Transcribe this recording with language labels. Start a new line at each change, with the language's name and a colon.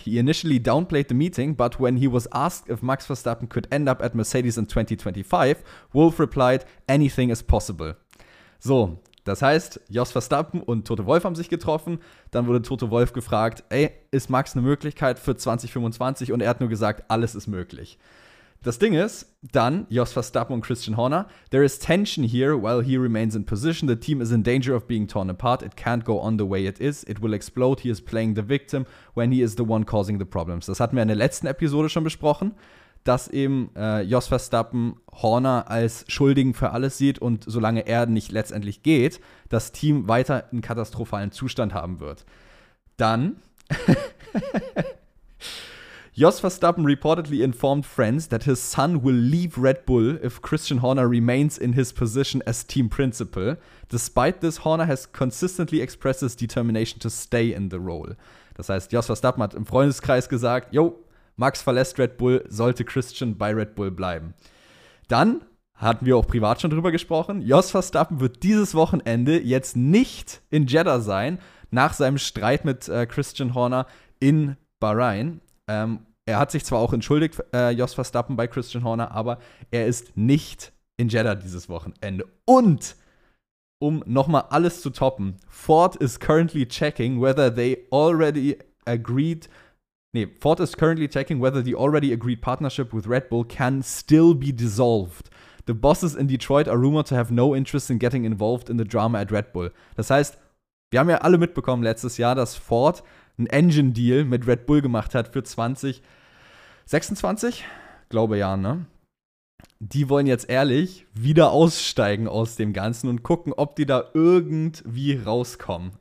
English: He initially downplayed the meeting, but when he was asked if Max Verstappen could end up at Mercedes in 2025, Wolff replied, anything is possible.
German: So, das heißt, Jos Verstappen und Toto Wolff haben sich getroffen. Dann wurde Toto Wolff gefragt, ey, ist Max eine Möglichkeit für 2025? Und er hat nur gesagt, alles ist möglich. Das Ding ist, dann Jos Verstappen und Christian Horner.
English: There is tension here while he remains in position. The team is in danger of being torn apart. It can't go on the way it is. It will explode. He is playing the victim when he is the one causing the problems.
German: Das hatten wir in der letzten Episode schon besprochen, dass eben Jos Verstappen Horner als Schuldigen für alles sieht und solange er nicht letztendlich geht, das Team weiter einen katastrophalen Zustand haben wird.
English: Dann Jos Verstappen reportedly informed friends that his son will leave Red Bull if Christian Horner remains in his position as team principal. Despite this, Horner has consistently expressed his determination to stay in the role.
German: Das heißt, Jos Verstappen hat im Freundeskreis gesagt, yo, Max verlässt Red Bull, sollte Christian bei Red Bull bleiben. Dann hatten wir auch privat schon drüber gesprochen, Jos Verstappen wird dieses Wochenende jetzt nicht in Jeddah sein, nach seinem Streit mit Christian Horner in Bahrain. Er hat sich zwar auch entschuldigt, Jos Verstappen bei Christian Horner, aber er ist nicht in Jeddah dieses Wochenende. Und um nochmal alles zu toppen,
English: Ford is currently checking whether they already agreed. Ford is currently checking whether the already agreed partnership with Red Bull can still be dissolved. The bosses in Detroit are rumored to have no interest in getting involved in the drama at Red Bull.
German: Das heißt, wir haben ja alle mitbekommen letztes Jahr, dass Ford einen Engine-Deal mit Red Bull gemacht hat für 2026? Glaube ja, ne? Die wollen jetzt ehrlich wieder aussteigen aus dem Ganzen und gucken, ob die da irgendwie rauskommen.